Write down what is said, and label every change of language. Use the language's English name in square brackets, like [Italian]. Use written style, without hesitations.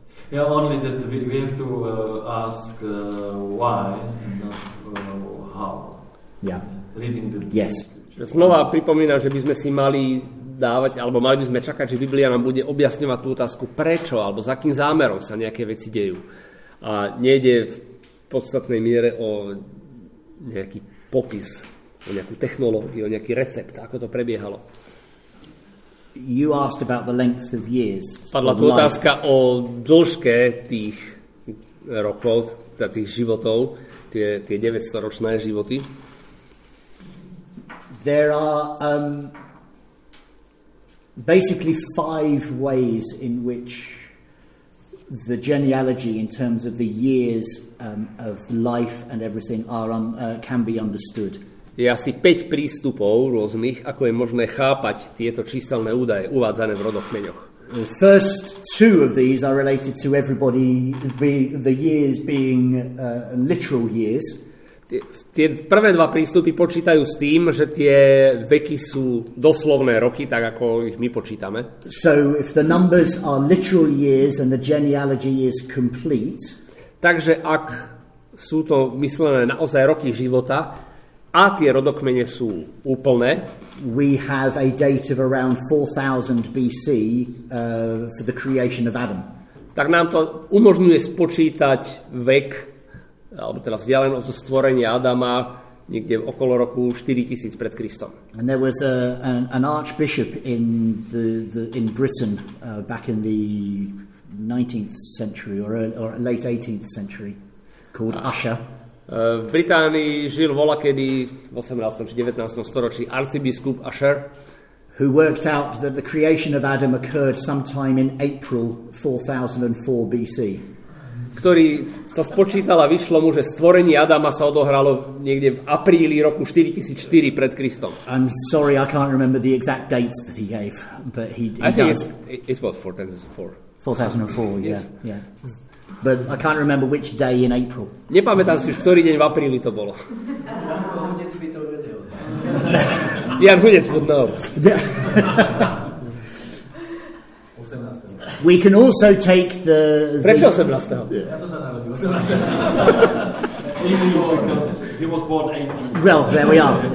[English] Yeah, only that we have to ask why and not how. Yeah. Reading the Yes. [Slovak] Znova pripomína, že by sme si mali dávať, alebo mali by sme čakať, že Biblia nám bude objasňovať tú otázku prečo, alebo za akým zámerom sa nejaké veci dejú. A nejde v podstatnej miere o nejaký popis, o nejakú technológiu, o nejaký recept, ako to prebiehalo. [English] You asked about the length of years. [Slovak] Padla tu otázka o dĺžke tých rokov, tých životov, tie 900-ročné životy. [English] There are basically five ways in which the genealogy in terms of the years of life and everything are can be understood. [Slovak] Je asi 5 prístupov rôznych, ako je možné chápať tieto číselné údaje uvádzané v rodokmeňoch. [English] The first two of these are related to everybody the years being literal years. [Slovak] Tie prvé dva prístupy počítajú s tým, že tie veky sú doslovné roky, tak ako ich my počítame. [English] So if the numbers are literal years and the genealogy is complete. [Slovak] Takže ak sú to myslené naozaj roky života, a tie rodokmene sú úplné. [English] We have a date of around 4000 BC for the creation of Adam. [Slovak] Tak nám to umožňuje spočítať vek, alebo teda vzdialenosť od stvorenia Adama niekde okolo roku 4000 pred Kristom. [English] And there was an archbishop in in Britain back in the 19th century or late 18th century called Usher. [Slovak] V Británii žil voľakedy v 18. či 19. storočí arcibiskup Usher, [English] who worked out that the creation of Adam occurred sometime in April 4004 BC. [Slovak] Ktorý to spočítal a vyšlo mu, že stvorenie Adama sa odohralo niekde v apríli roku 4004 pred Kristom. [English] I'm sorry, I can't remember the exact dates that he gave, but he does. It was 4004. 4004, yeah. Yes. Yeah. But I can't remember which day in April. [Slovak] Nepamätám si, ktorý deň v apríli to bolo. Jan Hudec by to vedel. Jan Hudec [English] would know. 18. We can also take the... [Slovak] Prečo 18? Ja to sa narodil. 18. [English] He was born 18. Well, there we are.